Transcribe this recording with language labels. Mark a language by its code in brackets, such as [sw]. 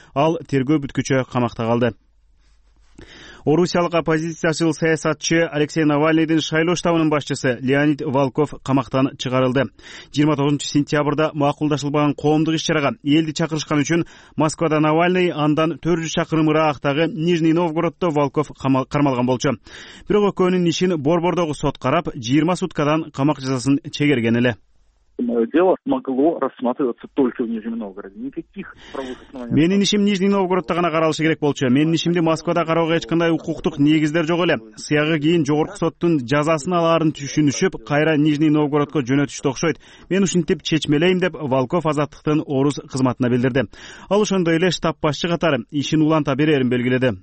[ky] Ал тергөө бүткүчө камакта калды. Орусиялык оппозициячыл саясатчы Алексей Навальныйдын шайлоо штабынын башчысы Леонид Волков камактан чыгарылды. 29-сентябрда макулдашылбаган коомдук иш чарага элди чакырышкан үчүн Москвада Навальный, андан 400 чакырым ыраактагы Нижний Новгородто Волков кармалган болчу. Бирок экөөнүн ишин Борбордогу сот карап 20 суткадан камак жазасын чегерген эле. [ru] Мое дело могло рассматриваться только в Нижнем Новгороде. Никаких правовых оснований. [ky] Менин ишим Нижний Новгородто гана каралышы керек болчу. Менин ишимди Москвада кароого эч кандай укуктук негиздер жок эле. Сыягы кийин жогорку соттун жазасын алаарын түшүнүшүп, кайра Нижний Новгородко жөнөтүштү окшойт. Мен ушинтип чечмелейм деп Волков азаттыктын орус кызматына билдирди. Ал ошондой эле штаб башчы катары ишин уланта берерин белгиледи.